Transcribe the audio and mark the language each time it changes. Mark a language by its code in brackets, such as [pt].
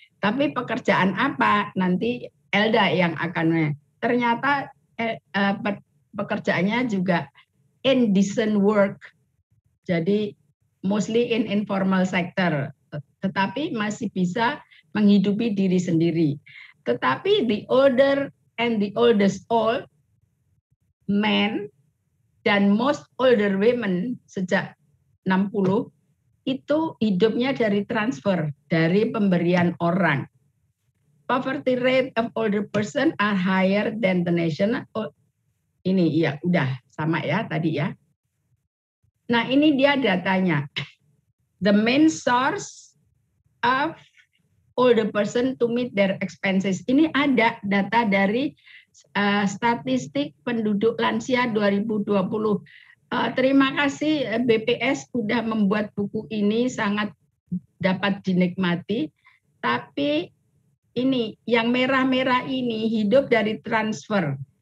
[id] Tapi pekerjaan apa? Nanti Elda yang akan ternyata pekerjaannya juga [en] indecent work, [id] jadi [en] mostly in informal sector, [id] tetapi masih bisa menghidupi diri sendiri. Tetapi [en] the older and the oldest old men [id] dan [en] most older women [id] sejak 60 itu hidupnya dari transfer, dari pemberian orang. [en] Poverty rate of older person are higher than the nation. [id] Oh, ini ya udah sama ya tadi ya. Nah, ini dia datanya. [en] The main source of older person to meet their expenses. [id] Ini ada data dari statistik penduduk lansia 2020. Terima kasih BPS sudah membuat buku ini, sangat dapat dinikmati. Tapi ini yang merah-merah ini hidup dari transfer.